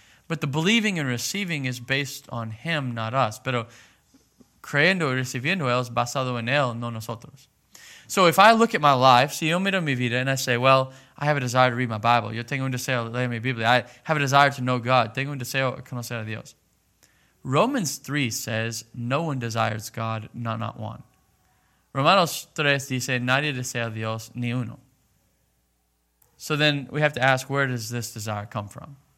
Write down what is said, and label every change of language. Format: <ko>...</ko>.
<en>But the believing and receiving is based on him, not us.</en> <es>Pero creyendo y recibiendo él es basado en él, no nosotros.</es> <en>So if I look at my life,</en> <es>si yo miro mi vida</es> <en>and I say, well, I have a desire to read my Bible.</en> <es>Yo tengo un deseo de leer mi Biblia.</es> <en>I have a desire to know God.</en> <es>Tengo un deseo de conocer a Dios.</es> <en>Romans 3 says, no one desires God, not one.</en> <es>Romanos 3 dice, nadie desea a Dios, ni uno.</es> <en>So then we have to ask, where does this desire come from?</en>